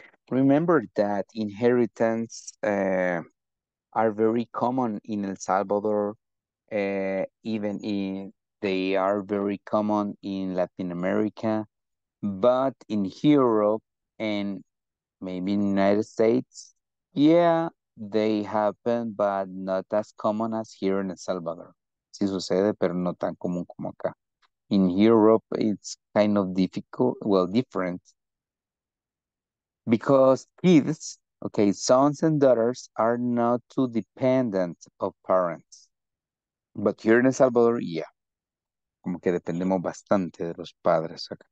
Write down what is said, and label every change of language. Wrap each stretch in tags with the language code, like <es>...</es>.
<en>Remember that inheritance are very common in El Salvador, even in, they are very common in Latin America, but in Europe and maybe in the United States, yeah, they happen, but not as common as here in El Salvador.</en> <es>Sí sucede, pero no tan común como acá.</es> <en>In Europe, it's kind of difficult, well, different. Because kids, okay, sons and daughters are not too dependent of parents. But here in El Salvador, yeah.</en> <es>Como que dependemos bastante de los padres.</es> <en>Okay.</en>